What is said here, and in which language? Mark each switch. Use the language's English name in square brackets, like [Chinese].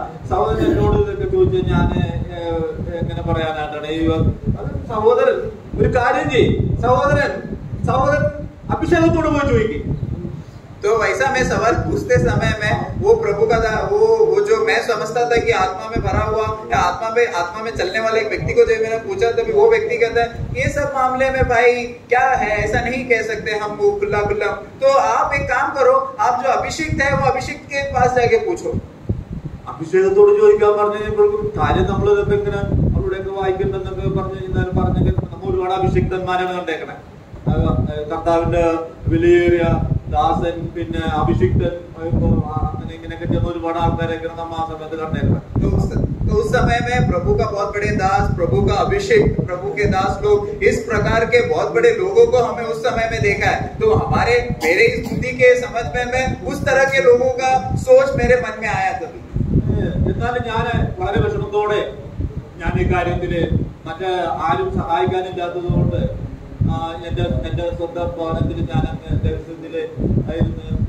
[Malayalam] സഹോദരൻ എന്നോട് ഇതൊക്കെ ചോദിച്ച് ഞാൻ എങ്ങനെ പറയാനായിട്ടാണ് ഈ സഹോദരൻ ഒരു കാര്യം ചെയ്യ്, സഹോദരൻ അഭിഷേകത്തോട് പോയി ചോദിക്ക്. [Hindi] तो वैसा मैं सवाल पूछते समय में वो प्रभु का था, वो जो मैं समझता था कि आत्मा में भरा हुआ या आत्मा में चलने वाला एक व्यक्ति को जब मैंने पूछा तभी वो व्यक्ति कहता है ये सब मामले में भाई क्या है, ऐसा नहीं कह सकते हम वो खुला खुला, तो आप एक काम करो, आप जो अभिषिक्त है वो अभिषिक्त के पास जाके पूछो। [Malayalam] അഭിഷേകത്തോട് ചോദിക്കാൻ പറഞ്ഞു കാര്യം നമ്മൾ ഇതൊക്കെ അവരുടെയൊക്കെ വായിക്കണ്ടെന്നൊക്കെ പറഞ്ഞു കഴിഞ്ഞാൽ പറഞ്ഞു നമ്മൾ ഒരുപാട് അഭിഷിക്തന്മാരാണ് കണ്ടേക്കണേ, കർത്താവിന്റെ വിലയേറിയ ദാസൻ പിന്നെ അഭിഷിക്തൻ അങ്ങനെ ഇങ്ങനെയൊക്കെ ചെന്ന ഒരുപാട് ആൾക്കാരൊക്കെ നമ്മൾ ആ സമയത്ത് കണ്ടേക്കണം. [Hindi] उस समय में प्रभु का बहुत बड़े दास, प्रभु का अभिषेक, प्रभु के दास लोग, इस प्रकार के बहुत बड़े लोगों को हमें उस समय में देखा है। तो हमारे मेरे इस बुद्धि के समझ में मैं उस तरह के लोगों का सोच मेरे मन में आया था। [Malayalam] എന്നാലും ഞാൻ വളരെ വിഷമത്തോടെ ഞാൻ ഈ കാര്യത്തിൽ മറ്റേ ആരും സഹായിക്കാനില്ലാത്തത് കൊണ്ട് എന്റെ സ്വന്തം ഭവനത്തിൽ ഞാൻ ദേവസ്വത്തിൽ ആയിരുന്നു